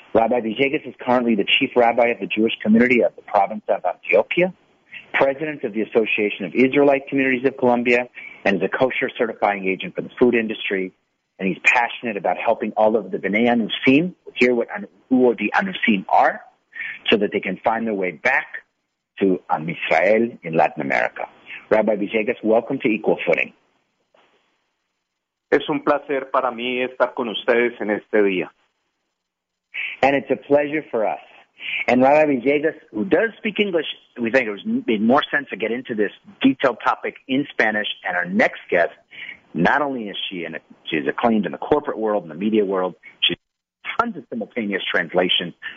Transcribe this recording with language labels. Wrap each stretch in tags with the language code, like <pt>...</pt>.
<en>Rabbi Villegas is currently the chief rabbi of the Jewish community of the province of Antioquia, president of the Association of Israelite Communities of Colombia, and is a kosher certifying agent for the food industry. And he's passionate about helping all of the B'nai Anusim hear what the Anusim are so that they can find their way back to Am Israel in Latin America. Rabbi Villegas, welcome to Equal Footing.</en> <es>Es un placer para mí estar con ustedes en este día.</es> <en>And it's a pleasure for us. And Rabbi Villegas, who does speak English, we think it would make more sense to get into this detailed topic in Spanish. And our next guest, not only is she's acclaimed in the corporate world, in the media world, she's tons of simultaneous translations.</en>